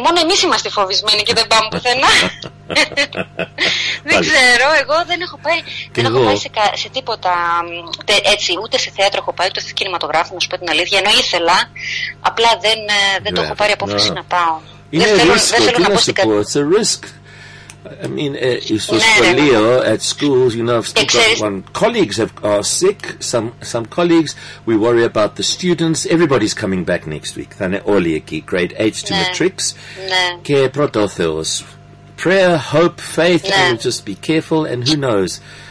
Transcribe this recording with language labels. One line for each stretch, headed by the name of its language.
Greek: Μόνο εμείς είμαστε φοβισμένοι και δεν πάμε πουθενά. Δεν ξέρω, εγώ δεν έχω πάει, σε τίποτα, έτσι, ούτε σε θέατρο έχω πάει, ούτε σε κινηματογράφο, να σου πω την αλήθεια, ενώ ήθελα, απλά δεν το έχω πάρει απόφαση να πάω. Είναι δεν θέλω να πω.
English: I mean, it's just for Leo at schools, you know, I've still got one. Colleagues are sick, some colleagues. We worry about the students. Everybody's coming back next week.
Greek: Θα είναι όλοι εκεί,
English: grade 8 to matrix.
Greek: Και πρώτο Θεός.
English: Prayer, hope, faith, and just be careful, and who knows.